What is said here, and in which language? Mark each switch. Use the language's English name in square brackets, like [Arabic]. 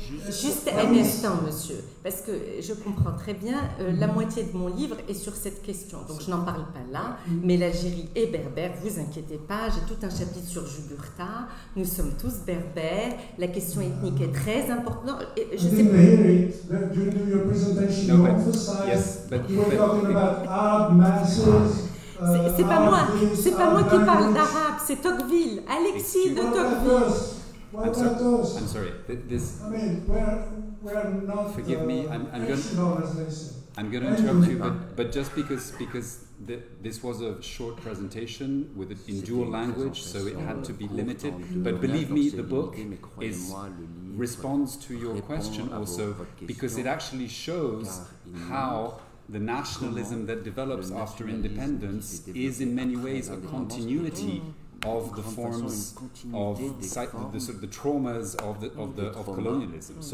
[French] Juste un instant, monsieur, parce que je comprends très bien, la moitié de mon livre est sur cette question, donc je n'en parle pas là, mais l'Algérie est berbère, vous inquiétez pas, j'ai tout un chapitre sur Jugurtha, nous sommes tous berbères, la question ethnique est très importante. Et je ne sais pas. [English] Hear it, that during your presentation, you emphasized, yes, you were talking about Arab masses. [French] C'est pas moi, c'est pas moi qui parle d'arabe, c'est Tocqueville, Alexis de Tocqueville. [English] I'm sorry. This. I mean, we're not. Forgive me. I'm going to interrupt you, but just because this was a short presentation with it in dual language, so it had to be limited. But believe me, the book is responds to your question also because it actually shows how the nationalism that develops after independence is in many ways a continuity of the forms of the sort of the traumas of colonialism.